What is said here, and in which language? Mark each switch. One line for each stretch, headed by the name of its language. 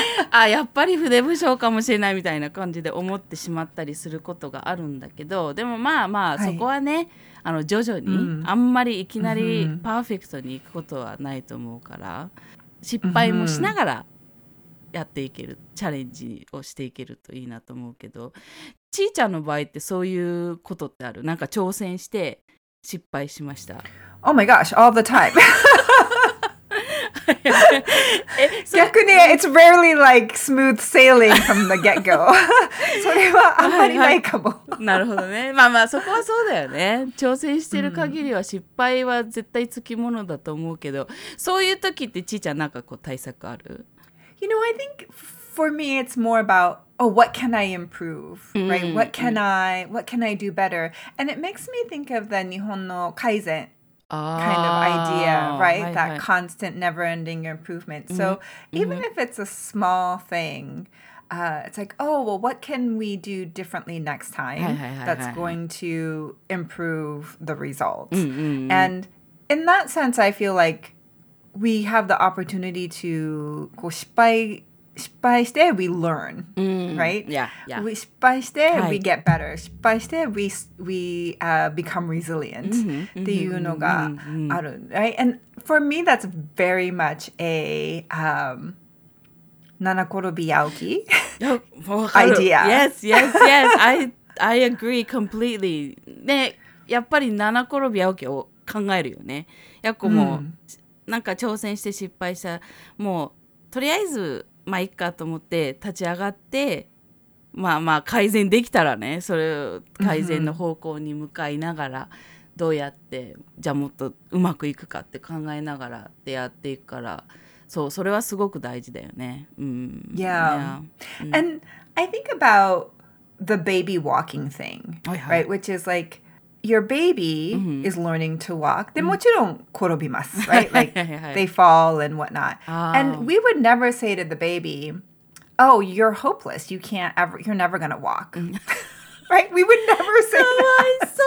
Japanese: あ、やっぱり筆不精かもしれないみたいな感じで思ってしまったりすることがあるんだけど、でもまあまあそこはね、はい、あの徐々に、あんまりいきなりパーフェクトにいくことはないと思うから、失敗もしながらやっていける、チャレンジをしていけるといいなと思うけど、ちーちゃんの場合ってそういうことってある？なんか挑戦して失敗しました？
English: Oh my gosh, all the time.
Japanese: え、逆に
English: it's rarely like smooth sailing from the get-go.
Japanese: それはあんまりないかも。はい、なるほどね。まあまあそこはそうだよね。挑戦してる限りは失敗は絶対つきものだと思うけど、そういう時ってちーちゃんなんかこう対策ある？
English: You know, I think for me it's more about, oh, what can I improve? Right? What can I do better? And it makes me think of the
Japanese: 日本の改善。
English: Kind of idea, right? Right, that constant, never-ending improvement. Mm-hmm. So even if it's a small thing, it's like, oh, well, what can we do differently next time that's going to improve the results? Mm-hmm. And in that sense, I feel like we have the opportunity to
Japanese: 失敗して
English: we learn, right? Yeah, yeah.
Japanese: 失敗して
English: we get better. 失敗して we become resilient.
Japanese: っていうのがある,
English: right? And for me, that's very much a nanakorobiyauki idea. Yes, yes, yes. I agree completely.
Japanese: ね、やっぱりnanakorobiyaukiを考えるよね。やっこも、なんか挑戦して失敗した、もうとりあえず まあ、いいかと思って立ち上がって、まあまあ改善できたらね、それを改善の方向に向かいながら、どうやってじゃもっとうまくいくかって考えながらでやっていくから、そう、それはすごく大事だよね。うん。
English: Yeah。And I think about the baby walking thing, right? Which is like your baby is learning to walk.
Japanese: でもちろん転びます,
English: right? Like they fall and whatnot. And we would never say to the baby, oh, you're hopeless. You can't ever, you're never going to walk. Right? We would never say that.